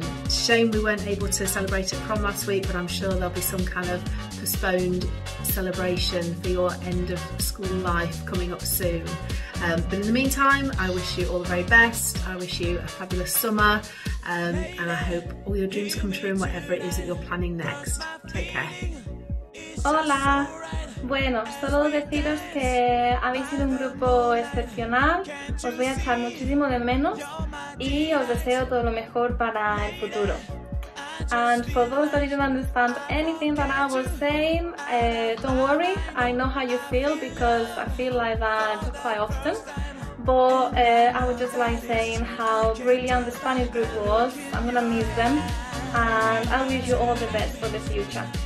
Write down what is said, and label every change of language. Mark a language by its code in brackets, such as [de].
[en] Shame we weren't able to celebrate at prom last week, but I'm sure there'll be some kind of postponed celebration for your end of school life coming up soon. But in the meantime, I wish you all the very best. I wish you a fabulous summer, and I hope all your dreams come true and whatever it is that you're planning next. Take care. [es] Hola, bueno, solo deciros que habéis sido un grupo excepcional, os voy a echar muchísimo de menos y os deseo todo lo mejor para el futuro. [en] And for those that didn't understand anything that I was saying, don't worry, I know how you feel because I feel like that quite often. But I would just like saying how brilliant the Spanish group was, I'm gonna miss them, and I wish you all the best for the future.